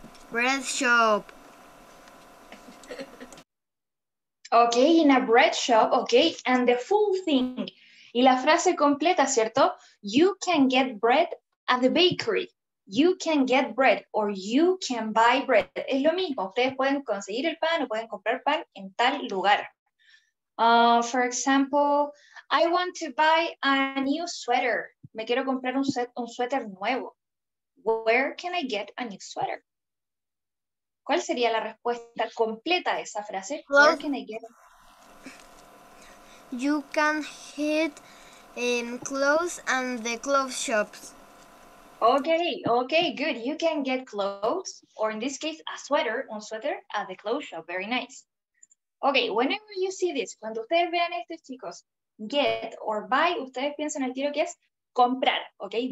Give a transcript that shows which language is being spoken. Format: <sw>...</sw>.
<en>Bread shop. Okay, in a bread shop, okay, and the full thing.</en> <es>Y la frase completa, ¿cierto?</es> <en>You can get bread at the bakery. You can get bread or you can buy bread.</en> <es>Es lo mismo. Ustedes pueden conseguir el pan o pueden comprar pan en tal lugar.</es> <en>For example, I want to buy a new sweater.</en> <es>Me quiero comprar un suéter nuevo.</es> <en>Where can I get a new sweater?</en> <es>¿Cuál sería la respuesta completa de esa frase?</es> <en>Well, where can I get? You can get clothes and the clothes shops. Okay, good. You can get clothes, or in this case, a sweater,</en> <es>un sweater,</es> <en>at the clothes shop. Very nice. Okay, whenever you see this,</en> <es>cuando ustedes vean esto, chicos,</es> <en>get or buy,</en> <es>ustedes piensan el tiro que es comprar, okay?</es>